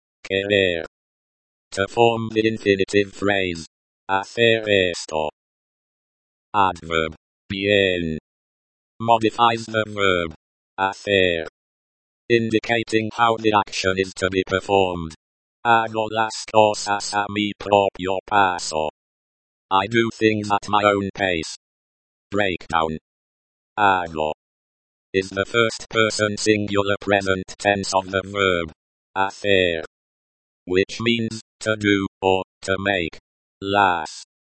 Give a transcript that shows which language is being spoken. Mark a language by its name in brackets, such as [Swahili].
[English] Querer. To form the infinitive phrase. Hacer esto. Adverb. Bien. Modifies the verb. Hacer. Indicating how the action is to be performed. [Spanish] Hago las cosas a mi propio paso. [English] I do things at my own pace. Breakdown. Hago. Is the first person singular present tense of the verb. Hacer. Which means, to do, or, to make. Las.